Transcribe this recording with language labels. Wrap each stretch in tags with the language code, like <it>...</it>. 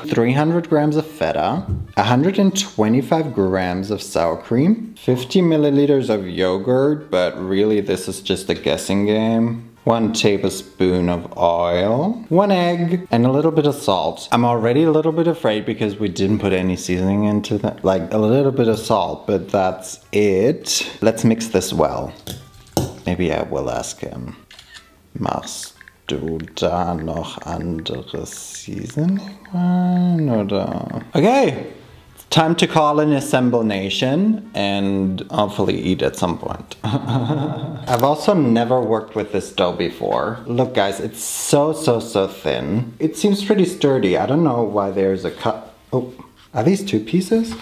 <en>300 grams of feta, 125 grams of sour cream, 50 milliliters of yogurt, but really this is just a guessing game. 1 tablespoon of oil, 1 egg, and a little bit of salt. I'm already a little bit afraid because we didn't put any seasoning into that, like a little bit of salt, but that's it. Let's mix this well. Maybe I will ask him.</en> <de>Machst du da noch andere Seasoning oder?</de> <en>Okay, it's time to call an assemble nation and hopefully eat at some point. I've also never worked with this dough before. Look guys, it's so thin. It seems pretty sturdy. I don't know why there's a cut. Oh, are these two pieces?</en>